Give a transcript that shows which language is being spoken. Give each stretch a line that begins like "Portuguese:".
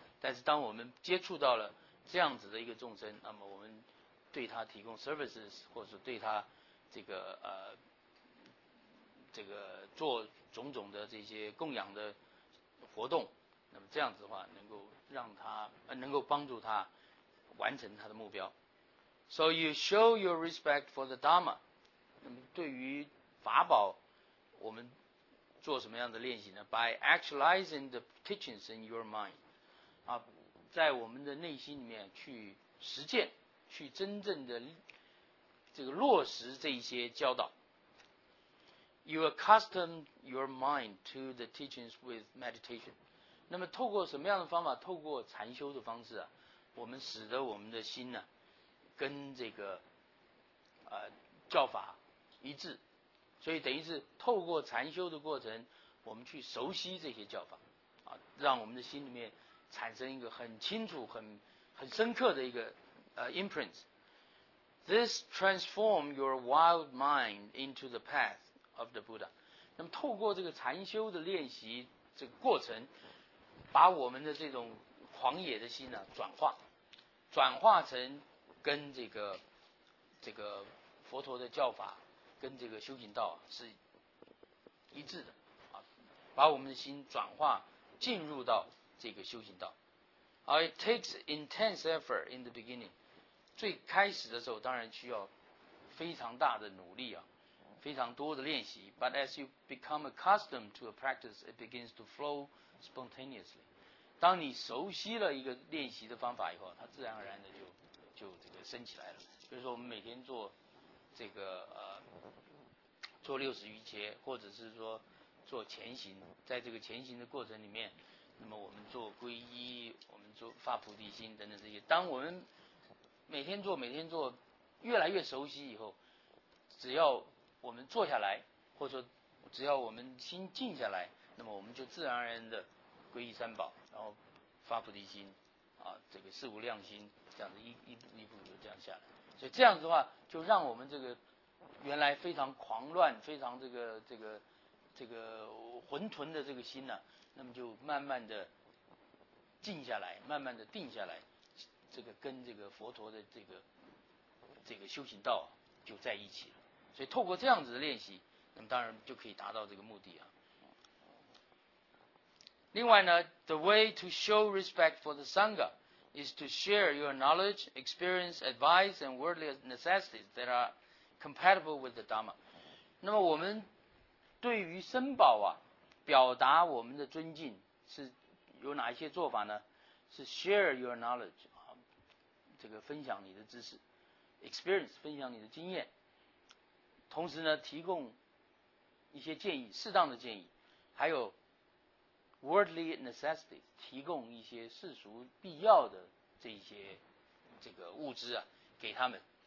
Chinese: 但是当我们接触到了这样子的一个众生，那么我们对他提供 services, 或者对他这个做种种的这些供养的活动，那么这样子的话能够让他能够帮助他完成他的目标。
English: So you show your respect for the Dharma.
Chinese: 那么对于法宝我们做什么样的练习呢？
English: By actualizing the teachings in your mind.
Chinese: 啊，在我们的内心里面去实践，去真正的这个落实这些教导。
English: You accustom your mind to the teachings with meditation.
Chinese: 那么透过什么样的方法？透过禅修的方式啊，我们使得我们的心呢，跟这个教法一致，所以等于是透过禅修的过程，我们去熟悉这些教法，啊，让我们的心里面产生一个很清楚、很深刻的一个imprint.
English: This transform your wild mind into the path of the Buddha.
Chinese: 那么透过这个禅修的练习这个过程，把我们的这种狂野的心呢，转化成跟这个佛陀的教法，跟这个修行道是一致的，啊，把我们的心转化进入到这个修行道。
English: It takes intense effort in the beginning.
Chinese: 最开始的时候当然需要非常大的努力啊，非常多的练习。
English: But as you become accustomed to a practice, it begins to flow spontaneously.
Chinese: 当你熟悉了一个练习的方法以后，它自然而然的就这个升起来了。比如说我们每天做这个做60余阶，或者是说做前行，在这个前行的过程里面，那么我们做皈依，我们做发菩提心等等这些，当我们每天做越来越熟悉以后，只要我们坐下来，或者说只要我们心静下来，那么我们就自然而然的皈依三宝，然后发菩提心，啊，这个四无量心，这样子一步就这样下来。所以这样子的话，就让我们这个原来非常狂乱、非常这个混沌的这个心呢，啊，那么就慢慢的静下来，慢慢的定下来，这个跟这个佛陀的这个修行道，啊，就在一起了。所以透过这样子的练习，那么当然就可以达到这个目的啊。另外呢
English: the way to show respect for the Sangha is to share your knowledge, experience, advice, and worldly necessities that are compatible with the Dharma.
Chinese: 那么我们对于僧宝啊，表达我们的尊敬是有哪一些做法呢？是
English: share your knowledge,
Chinese: 这个分享你的知识
English: experience,
Chinese: 分享你的经验，同时呢提供一些建议，适当的建议，还有
English: worldly necessities,
Chinese: 提供一些世俗必要的这些这个物资啊给他们。